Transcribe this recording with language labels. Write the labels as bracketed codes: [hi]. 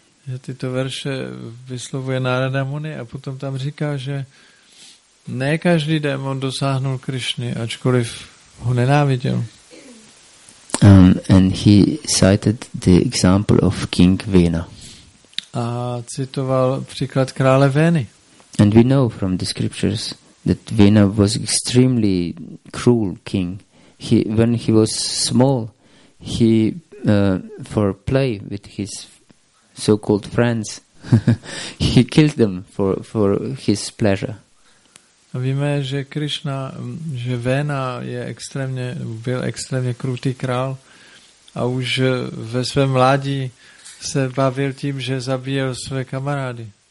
[cs] Že tyto verše vyslovuje Narada Muni a potom tam říká, že ne každý démon dosáhnul Krishny, ačkoliv ho nenáviděl. [en] And he cited the example of King Vena. [cs] A citoval příklad krále Veny. [en] And we know from the scriptures that Vena was extremely cruel king. He, when he was small, he for play with his so-called friends, he killed them for his pleasure. [cs] A víme, že Krishna, že Vena je extrémně, byl extrémně krutý král a už ve svém mládí se bavil tím, že zabíjel své kamarády.